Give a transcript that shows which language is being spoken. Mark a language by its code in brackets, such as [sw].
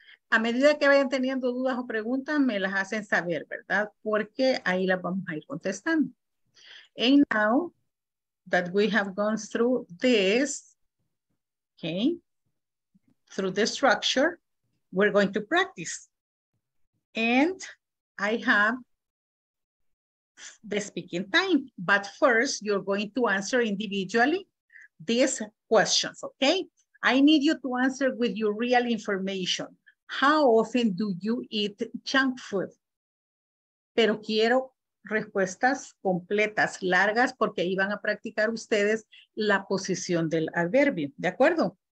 [es] A medida que vayan teniendo dudas o preguntas, me las hacen saber, ¿verdad? Porque ahí las vamos a ir contestando. [en] And now that we have gone through this, okay, through the structure, we're going to practice. And I have the speaking time. But first, you're going to answer individually these questions, okay? I need you to answer with your real information. How often do you eat junk food? [es] Pero quiero respuestas completas, largas, porque ahí van a practicar ustedes la posición del adverbio, ¿de acuerdo?